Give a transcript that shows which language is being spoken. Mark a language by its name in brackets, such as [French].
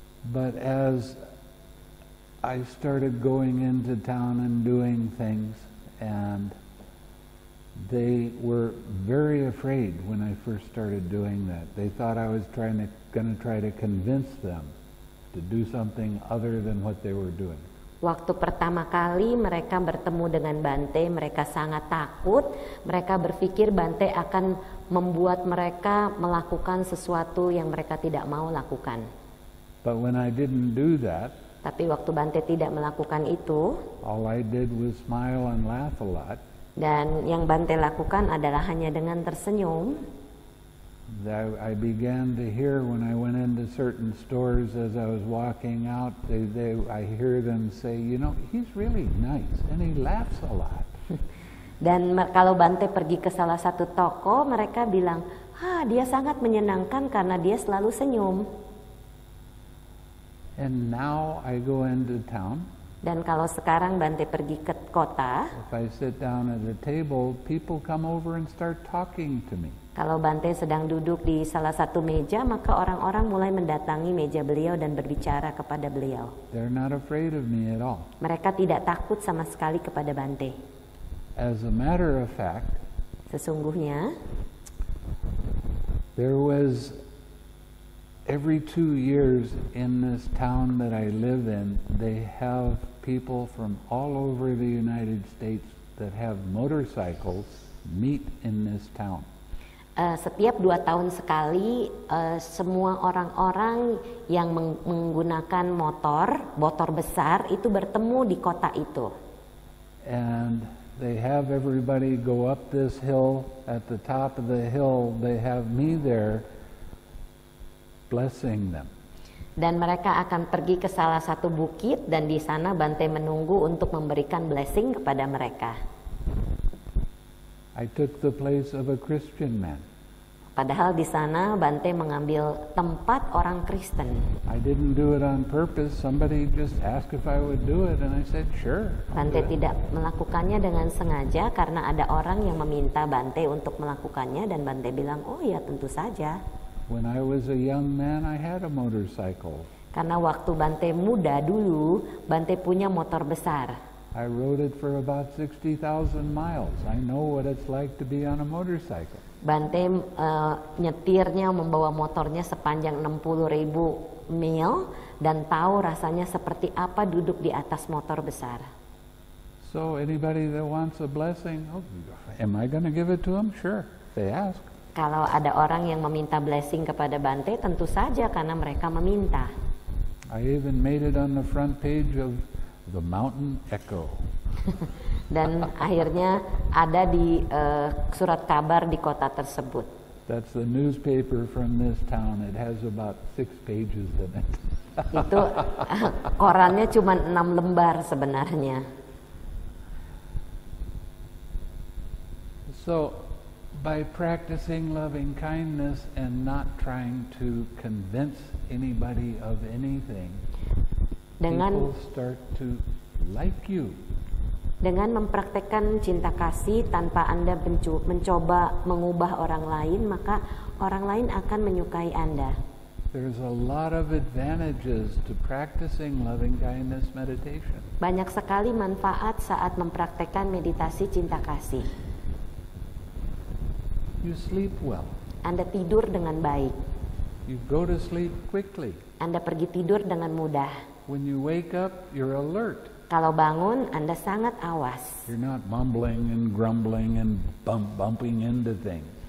[English] But as I started going into town and doing things, and they were very afraid when I first started doing that. They thought I was trying to going to try to convince them to do something other than what they were doing. [Indonesian] Waktu pertama kali mereka bertemu dengan Bante, mereka sangat takut. Mereka berpikir Bante akan membuat mereka melakukan sesuatu yang mereka tidak mau lakukan. [English] But when I didn't do that, [Indonesian] tapi waktu Bante tidak melakukan itu, [English] all I did was smile and laugh a lot. [Indonesian] Dan yang Bante lakukan adalah hanya dengan tersenyum. [English] I began to hear when I went into certain stores as I was walking out, I hear them say, you know, he's really nice and he laughs a lot. [Indonesian] Dan kalau Bante pergi ke salah satu toko, mereka bilang, ah, dia sangat menyenangkan karena dia selalu senyum. [English] And now I go into town. [Indonesian] Dan kalau sekarang Bante pergi ke kota, [English] if I sit down at a table, people come over and start talking to me. [Indonesian] Kalau Bante sedang duduk di salah satu meja, maka orang-orang mulai mendatangi meja beliau dan berbicara kepada beliau. [English] They're not afraid of me at all. [Indonesian] Mereka tidak takut sama sekali kepada Bante. [English] As a matter of fact, [Indonesian] sesungguhnya, [English] there was every 2 years in this town that I live in, they have people from all over the United States that have motorcycles meet in this town. [Indonesian] Setiap 2 tahun sekali, semua orang-orang yang menggunakan motor besar itu bertemu di kota itu. [English] And they have everybody go up this hill. At the top of the hill, they have me there blessing them. [Indonesian] Dan mereka akan pergi ke salah satu bukit dan di sana Bante menunggu untuk memberikan blessing kepada mereka. [English] I took the place of a Christian man. [Indonesian] Padahal di sana Bante mengambil tempat orang Kristen. [English] I didn't do it on purpose. Somebody just asked if I would do it and I said sure. [Indonesian] Bante tidak melakukannya dengan sengaja karena ada orang yang meminta Bante untuk melakukannya dan Bante bilang, "Oh ya, tentu saja." [English] When I was a young man, I had a motorcycle. [Indonesian] Karena waktu Bante muda dulu, Bante punya motor besar. [English] I rode it for about 60,000 miles. I know what it's like to be on a motorcycle. [Indonesian] Bante nyetirnya membawa motornya sepanjang 60.000 mil dan tahu rasanya seperti apa duduk di atas motor besar. [English] So anybody that wants a blessing, am I going to give it to them? Sure, they ask. [Indonesian] Kalau ada orang yang meminta blessing kepada Bante, tentu saja karena mereka meminta. [English] I even made it on the front page of the Mountain Echo. [Indonesian] Dan akhirnya ada di surat kabar di kota tersebut. [English] That's the newspaper from this town. It has about 6 pages in it. [Indonesian] Itu korannya cuma 6 lembar sebenarnya. [English] So, by practicing loving kindness and not trying to convince anybody of anything, people start to like you. [Indonesian] Dengan mempraktekkan cinta kasih tanpa Anda mencoba mengubah orang lain, maka orang lain akan menyukai Anda. [English] There's a lot of advantages to practicing loving kindness meditation. [Indonesian] Banyak sekali manfaat saat mempraktekkan meditasi cinta kasih. [English] You sleep well. [Indonesian] Anda tidur dengan baik. [English] You go to sleep quickly. [Indonesian] Anda pergi tidur dengan mudah. [English] When you wake up, you're alert. [Indonesian] Kalau bangun, Anda sangat awas. [English] You're not mumbling and grumbling and bumping into things.